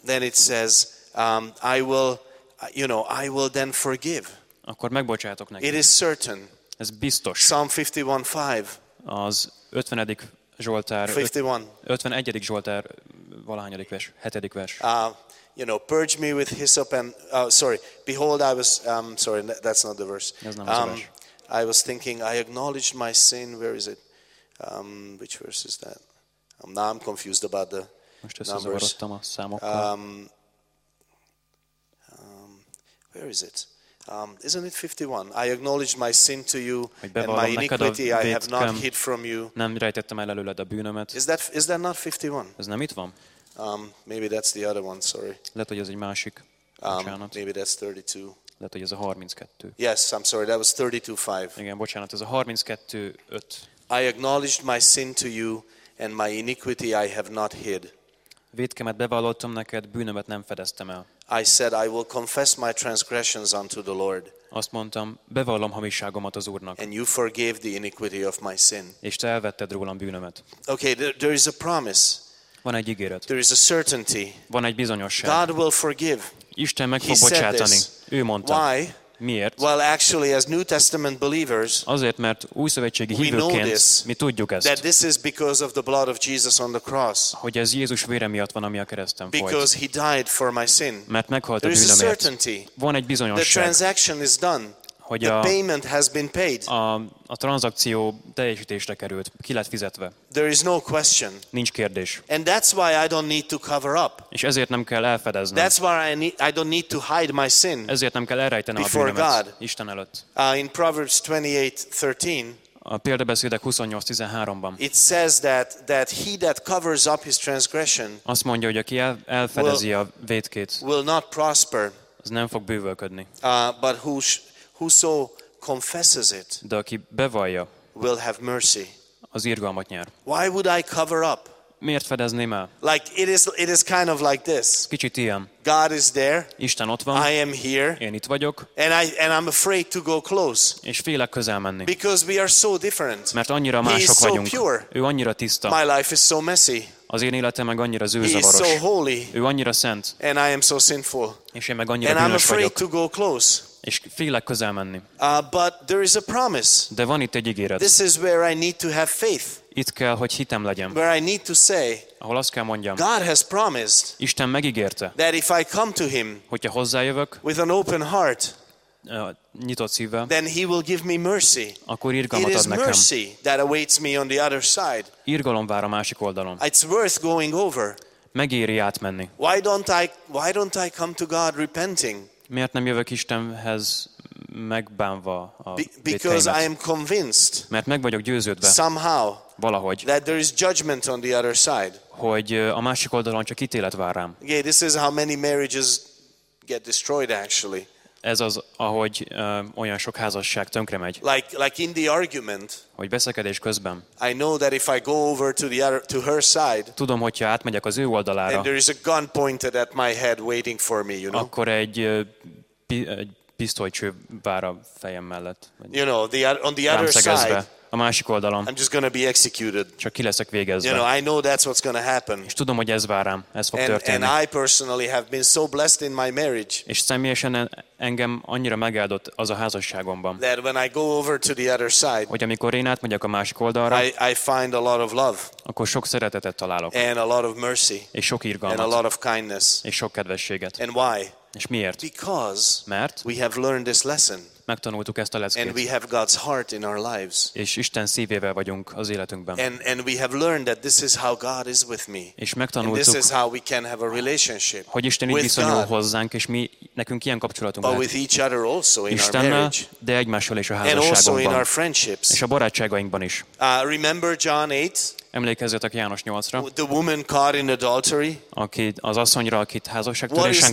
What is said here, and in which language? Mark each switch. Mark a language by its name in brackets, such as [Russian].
[English] Then it says, I will then forgive. [Hungarian] Akkor megbocsátok neki. [English] It is certain. [Hungarian] Ez biztos. [English] Psalm 51:5. [Hungarian] Az 51. Zsoltár. 51. Zsoltár valahányadik vers, 7. vers. [English] Purge me with hyssop and behold, I was sorry, that's not the verse. I was thinking, I acknowledged my sin. Where is it? Which verse is that? Now I'm confused about the most numbers. A where is it? Isn't it 51? I acknowledged my sin to you and my iniquity I have not hid from you. [Hungarian] Nem rejtettem el előled a bűnömet. [English] Is that not 51? [Hungarian] Ez nem itt van. [English] Maybe that's the other one, sorry. [Hungarian] Lehet, hogy ez egy másik. [English] Maybe that's 32. [Hungarian] Lehet, hogy ez a 32. [English] Yes, I'm sorry, that was 32:5. [Hungarian] Igen, bocsánat, ez a 32:5. [English] I acknowledged my sin to you, and my iniquity I have not hid. [Hungarian] Vétkemet bevallottam neked, bűnömet nem fedeztem el. [English] I said, I will confess my transgressions unto the Lord. [Hungarian] Azt mondtam, bevallom hamisságomat az Úrnak. [English] And you forgave the iniquity of my sin. [Hungarian] És te elvetted rólam bűnömet. [English] Okay, there is a promise. [Hungarian] Van egy ígéret. [English] There is a certainty. [Hungarian] Van egy bizonyosság. [English] God will forgive. [Hungarian] Isten meg fog bocsátani. Ő mondta. [English] Why? [Hungarian] Miért? [English] Well, actually, as New Testament believers, [Hungarian] azért, mert új szövetségi hívőként mi tudjuk ezt. [English] That this is because of the blood of Jesus on the cross. [Hungarian] Hogy ez Jézus vére miatt van, ami a kereszten volt. [English] Because he died for my sin. [Hungarian] Mert meghalt a bűnömért. [English] There is a certainty. [Hungarian] Van egy bizonyosság. [English] The transaction is done. [Hungarian] Hogy [English] the payment has been paid. [Hungarian] A tranzakció teljesítésre került, ki lett fizetve. [English] There is no question. [Hungarian] Nincs kérdés. [English] And that's why I don't need to cover up. [Hungarian] És ezért nem kell elfedeznem. [English] That's why I don't need to hide my sin. [Hungarian] Ezért nem kell elrejtenem a bűnömet Isten előtt. [English] In Proverbs 28:13. [Hungarian] A Példabeszédek 28:13-ban. [English] It says that he that covers up his transgression. [Hungarian] Azt mondja, hogy aki elfedezi a vétkét. [English] Will not prosper. [Hungarian] Az nem fog bővölködni. [English] But whoso confesses it, [Hungarian] de aki bevallja, [English] will have mercy. [Hungarian] Az irgalmat nyer. [English] Why would I cover up? [Hungarian] Miért fedezném el? [English] Like it is kind of like this. [Hungarian] Kicsit ilyen. [English] God is there. [Hungarian] Isten ott van. [English] I am here. [Hungarian] Én itt vagyok. [English] And I'm afraid to go close. [Hungarian] És félek közel menni. [English] Because we are so different. [Hungarian] Mert annyira mások vagyunk. [English] He is so pure. [Hungarian] Ő annyira tiszta. [English] My life is so messy. [Hungarian] Az én életem meg annyira zűrzavaros. [English] He is so holy. [Hungarian] Ő annyira szent. [English] And I am so sinful. [Hungarian] És én meg annyira bűnös vagyok. [English] And I'm afraid [Hungarian] vagyok. [English] To go close. [Hungarian] És félek közel menni. [English] But there is a promise. [Hungarian] De van itt egy ígéret. [English] This is where I need to have faith. [Hungarian] Itt kell, hogy hitem legyen. [English] Where I need to say, [Hungarian] ahol azt kell mondjam. [English] God has promised. [Hungarian] Isten megígérte. [English] That if I come to him, [Hungarian] hogyha hozzájövök, [English] with an open heart, [Hungarian] nyitott szívvel, [English] then he will give me mercy. [Hungarian] Akkor irgalmat [English] it [Hungarian] ad [English] is [Hungarian] nekem. [English] Mercy that awaits me on the other side. [Hungarian] Irgalom vár a másik oldalon. [English] It's worth going over. [Hungarian] Megéri átmenni. [English] Why don't I come to God repenting? [Hungarian] Miért nem jövök Istenhez megbánva a [English] Because I am convinced. [Hungarian] Mert meg vagyok győződve. [English] Somehow. [Hungarian] Valahogy. [English] That there is judgment on the other side. [Hungarian] Hogy a másik oldalon csak ítélet vár rám. [English] Yeah, this is how many marriages get destroyed actually. [Hungarian] Ez az, ahogy olyan sok házasság tönkre megy. [English] Like in the argument. [Hungarian] Hogy beszélgetés közben. [English] I know that if I go over to the other, to her side. [Hungarian] Tudom, hogyha átmegyek az ő oldalára. [English] And there is a gun pointed at my head waiting for me, you know. [Hungarian] Akkor egy pisztolycső vár a fejem mellett. [English] You know, on the other side. [Hungarian] A másik oldalon. [English] I'm just going to be executed. [Hungarian] Csak ki leszek végezve. [English] You know, I know that's what's going to happen. [Hungarian] És tudom, hogy ez vár rám. Ez fog történni. [English] And I personally have been so blessed in my marriage. [Hungarian] És személyesen engem annyira megáldott az a házasságomban. [English] That when I go over to the other side. [Hungarian] Hogy amikor én átmegyek a másik oldalra. [English] I find a lot of love. [Hungarian] Akkor sok szeretetet találok. [English] And a lot of mercy. [Hungarian] És sok irgalmat. [English] And a lot of kindness. [Hungarian] És sok kedvességet. [English] And why? [Hungarian] És miért? [English] Because [Hungarian] mert [English] we have learned this lesson. [Hungarian] Megtanultuk ezt a leckét. [English] And we have God's heart in our lives. [Hungarian] És Isten szívével vagyunk az életünkben. [English] And we have learned that this is how God is with me. [Hungarian] És megtanultuk, [English] and this is how we can have a relationship. [Hungarian] Hogy Isten így viszonyul hozzánk, és mi nekünk ilyen kapcsolatunk van. [English] But with each other also in [Hungarian] Istennel, [English] our marriage. [Hungarian] De egymással és a házasságunkban. [English] And also in our friendships. [Hungarian] És a barátságainkban is. [English] Remember John 8? [Hungarian] Emlékezzetek János 8-ra. [English] The woman caught in adultery. [Hungarian] Akit az asszonyra, akit házasságtörésen